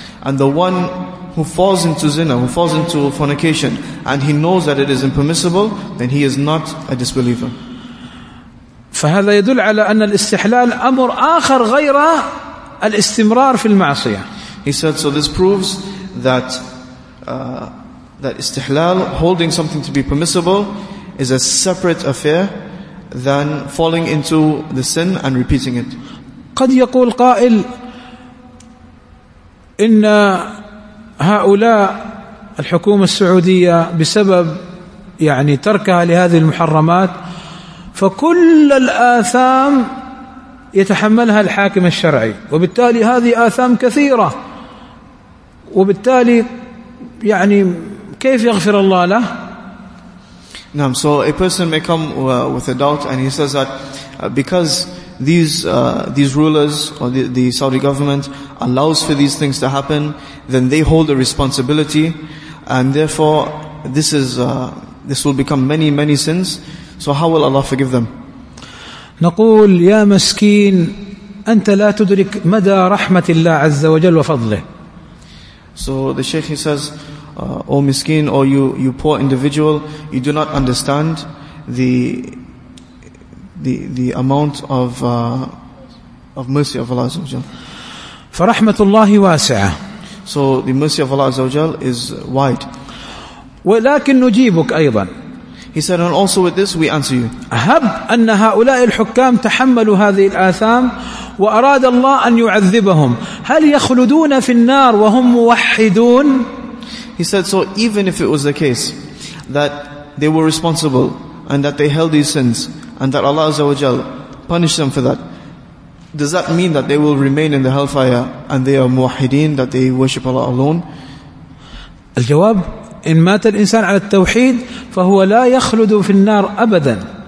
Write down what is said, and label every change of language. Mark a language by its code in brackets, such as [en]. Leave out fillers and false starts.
[en] And the one who falls into zina, who falls into fornication, and he knows that it is impermissible, then he is not a disbeliever. [ar] فهذا يدل على أن الاستحلال أمر آخر غير الاستمرار في المعصية. [en] He said, so this proves that that istihlal, holding something to be permissible, is a separate affair than falling into the sin and repeating it. [ar] قد يقول قائل إن هؤلاء الحكومة السعودية بسبب يعني تركها لهذه المحرمات فكل الآثام يتحملها الحاكم الشرعي وبالتالي هذه آثام كثيرة وبالتالي يعني كيف يغفر الله له. نعم. [en] So a person may come with a doubt and he says that because these rulers or the Saudi government allows for these things to happen, then they hold a responsibility, and therefore this will become many, many sins. So how will Allah forgive them? [ar] نقول يا مسكين أنت لا تدرك مدى رحمة الله عز وجل وفضله. [en] So the Shaykh, he says, O miskeen, or you poor individual, you do not understand the amount of mercy of Allah Azza wa Jal. [ar] فرحمة الله واسعة. [en] So the mercy of Allah Azza wa Jal is wide. [ar] ولكن نجيبك أيضا. [en] He said, and also with this we answer you. [ar] هب أن هؤلاء الحكام تحملوا هذه الآثام وأراد الله أن يعذبهم هل يخلدون في النار وهم موحدون. [en] He said, so even if it was the case that they were responsible and that they held these sins and that Allah Azza wa Jal punished them for that, does that mean that they will remain in the hellfire and they are muwahideen, that they worship Allah alone? [ar] الجواب إن مات الإنسان على التوحيد فهو لا يخلد في النار أبدا.